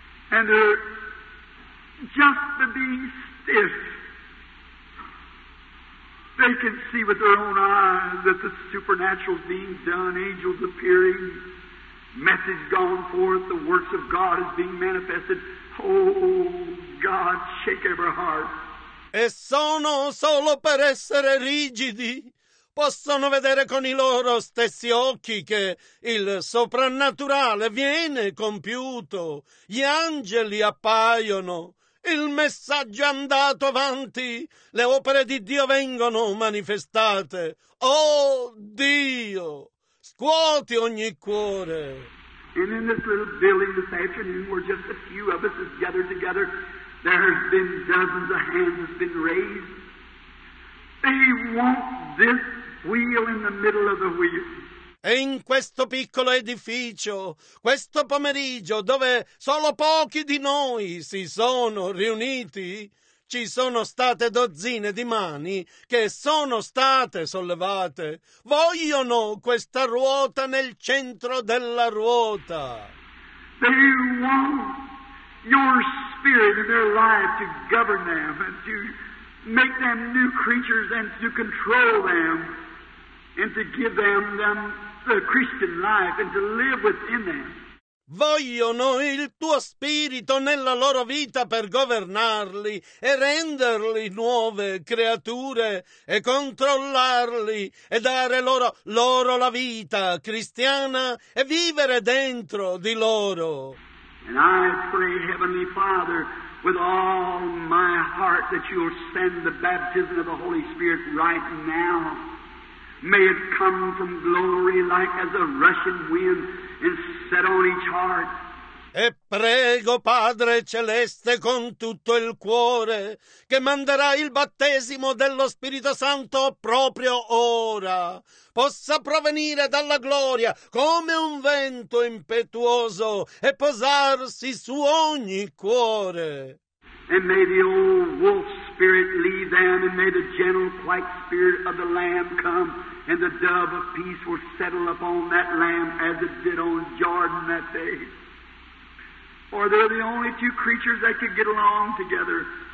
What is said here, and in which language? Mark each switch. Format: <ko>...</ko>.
<en>And they're just the being stiff. They can see with their own eyes that the supernatural is being done, angels appearing, message gone forth, the works of God is being manifested. Oh, God, shake every heart.</en> <it>E sono solo per essere rigidi. Possono vedere con i loro stessi occhi che il soprannaturale viene compiuto. Gli angeli appaiono. Il messaggio è andato avanti. Le opere di Dio vengono manifestate. Oh Dio, scuoti ogni cuore.</it> <en>And in this little building this afternoon, where just a few of us have gathered together, there have been dozens of hands that have been raised. They want this wheel in the middle of the wheel.</en> <it>E in questo piccolo edificio, questo pomeriggio, dove solo pochi di noi si sono riuniti, ci sono state dozzine di mani che sono state sollevate. Vogliono questa ruota nel centro della ruota.</it> <en>They want your spirit in their life to govern them and to make them new creatures and to control them and to give them the Christian life and to live within them.</en> <it>Vogliono il tuo spirito nella loro vita per governarli e renderli nuove creature e controllarli e dare loro la vita cristiana e vivere dentro di loro.</it> <en>And I pray, Heavenly Father, with all my heart that you'll send the baptism of the Holy Spirit right now. May it come from glory like as a rushing wind and set on each heart.</en> <it>E prego, Padre Celeste, con tutto il cuore, che manderà il battesimo dello Spirito Santo proprio ora. Possa provenire dalla gloria come un vento impetuoso e posarsi su ogni cuore.</it> <en>And may the old wolf spirit leave them, and may the gentle, quiet spirit of the Lamb come, and the dove of peace will settle upon that Lamb as it did on Jordan that day. For they're the only two creatures that could get along together.</en>